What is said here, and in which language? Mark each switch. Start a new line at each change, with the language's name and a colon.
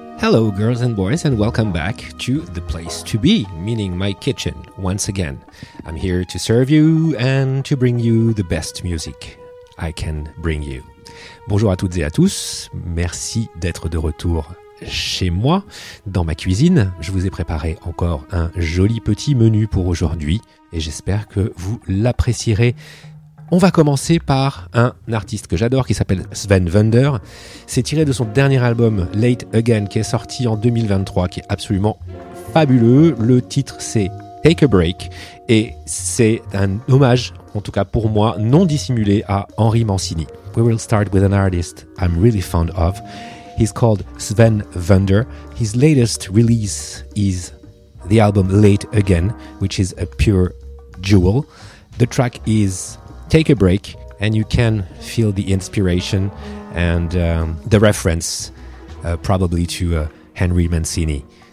English: Hello, girls and boys, and welcome back to The Place to Be, meaning my kitchen, once again. I'm here to serve you and to bring you the best music I can bring you.
French: Bonjour à toutes et à tous, merci d'être de retour chez moi, dans ma cuisine. Je vous ai préparé encore un joli petit menu pour aujourd'hui et j'espère que vous l'apprécierez. On va commencer par un artiste que j'adore qui s'appelle Sven Vender. C'est tiré de son dernier album Late Again qui est sorti en 2023, qui est absolument fabuleux. Le titre c'est Take a Break et c'est un hommage, en tout cas pour moi, non dissimulé à Henri Mancini.
English: We will start with an artist I'm really fond of. He's called Sven Vender. His latest release is the album Late Again, which is a pure jewel. The track is Take a Break, and you can feel the inspiration and the reference probably to Henry Mancini.